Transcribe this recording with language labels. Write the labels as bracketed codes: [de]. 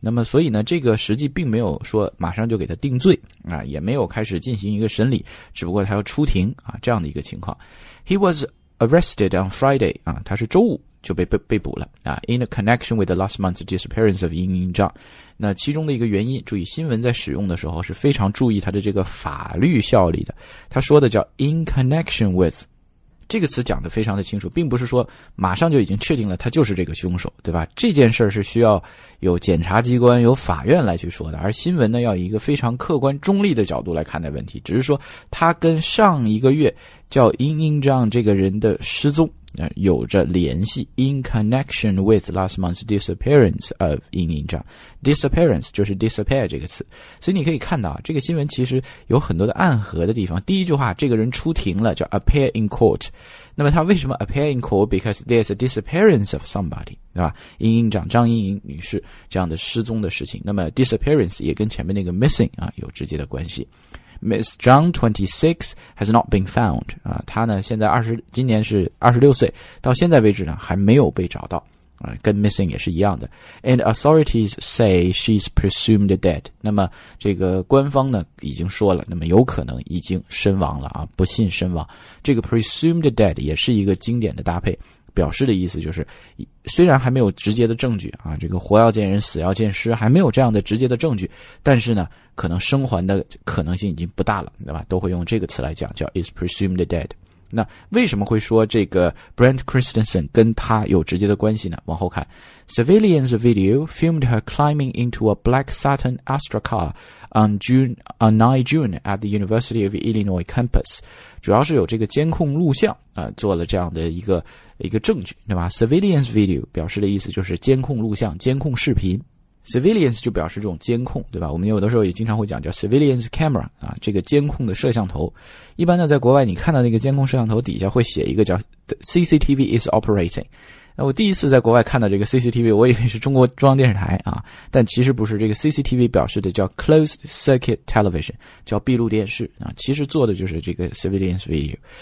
[zh] 那么所以呢这个实际并没有说马上就给他定罪啊，也没有开始进行一个审理，只不过他要出庭啊这样的一个情况。 [en] He was,arrested on Friday, 啊他是周五就被捕了啊 ,in a connection with the last month's disappearance of Yingying Zhang. [zh] 那其中的一个原因，注意新闻在使用的时候是非常注意它的这个法律效力的。他说的叫 in connection with, 这个词讲得非常的清楚，并不是说马上就已经确定了他就是这个凶手，对吧，这件事是需要有检察机关有法院来去说的，而新闻呢要以一个非常客观中立的角度来看待问题，只是说他跟上一个月叫 Yingying Zhang 这个人的失踪有着联系 in connection with last month's disappearance of Yingying Zhang. Disappearance 就是 disappear 这个词，所以你可以看到这个新闻其实有很多的暗合的地方。第一句话这个人出庭了叫 appear in court, 那么他为什么 appear in court? Because there's a disappearance of somebody, 对吧 ?Yingying Zhang, 张莹莹女士这样的失踪的事情，那么 disappearance 也跟前面那个 missing 啊有直接的关系。 [en] Ms. Zhang, 26, has not been found. [zh] 她呢现在今年是26岁，到现在为止呢还没有被找到。跟 missing 也是一样的。 [en] And authorities say she's presumed dead. [zh] 那么这个官方呢已经说了，那么有可能已经身亡了啊，不幸身亡。这个 presumed dead 也是一个经典的搭配。表示的意思就是虽然还没有直接的证据啊，这个活要见人死要见尸还没有这样的直接的证据，但是呢可能生还的可能性已经不大了，对吧，都会用这个词来讲，叫 is presumed dead。那为什么会说这个 Brent Christensen 跟他有直接的关系呢？ [en] 往后看， Civilians video filmed her climbing into a black Saturn Astra car on 9 June at the University of Illinois campus，主要是有这个监控录像做了这样的一个证据，对吧。 [zh] Civilians video 表示的意思就是监控录像，监控视频。 Civilians 就表示这种监控，对吧，我们有的时候也经常会讲叫 Civilians camera 啊，这个监控的摄像头。一般呢在国外你看到那个监控摄像头底下会写一个叫 CCTV is operating。我第一次在国外看到这个 CCTV， 我以为是中国中央电视台啊，但其实不是，这个 CCTV 表示的叫 Closed Circuit Television， 叫闭路电视啊，其实做的就是这个 Civilians Video。